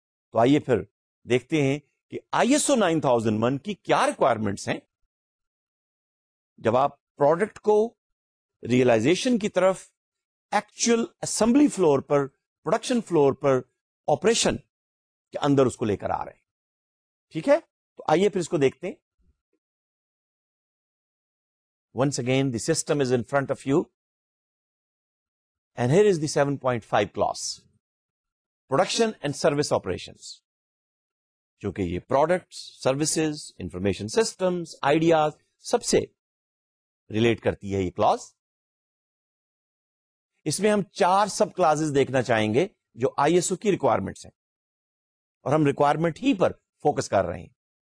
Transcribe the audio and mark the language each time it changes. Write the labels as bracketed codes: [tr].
[ur] تو آئیے پھر دیکھتے ہیں ISO 9001 کی کیا ریکوائرمنٹس ہیں جب آپ پروڈکٹ کو ریئلائزیشن کی طرف ایکچوئل اسمبلی فلور پر پروڈکشن فلور پر آپریشن کے اندر اس کو لے کر آ رہے ہیں. ٹھیک ہے تو آئیے پھر اس کو دیکھتے ہیں. [en] Once again the system is in front of you and here is the 7.5 class production and service operations. [ur] کیونکہ یہ products services information systems ideas سب سے ریلیٹ کرتی ہے یہ کلاس. اس میں ہم چار سب کلاسز دیکھنا چاہیں گے جو ISO کی ریکوائرمنٹس ہیں اور ہم ریکوائرمنٹ ہی پر فوکس کر رہے ہیں.